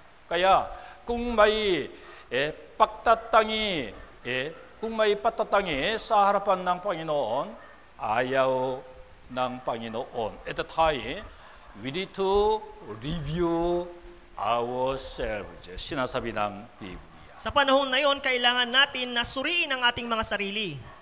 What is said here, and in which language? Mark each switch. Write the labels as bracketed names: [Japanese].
[Filipino] Kaya kung may patatangi sa harapan ng Panginoon, ayaw ng Panginoon. [English] At the time, we need to review ourselves. [Filipino] Sinasabi ng Biblia. Sa panahon na yon, kailangan natin na suriin ang ating mga sarili.